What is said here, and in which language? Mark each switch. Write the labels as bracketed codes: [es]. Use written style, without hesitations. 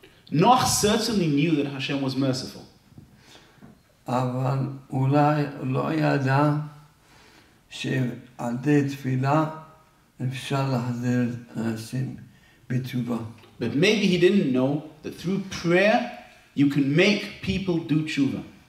[en] Noach certainly knew that Hashem was merciful. [he] אבל אולי לא ידע שעדי תפילה אפשר להחזיר אנשים בתשובה. [en] But maybe he didn't know that through prayer you can make people do tshuva.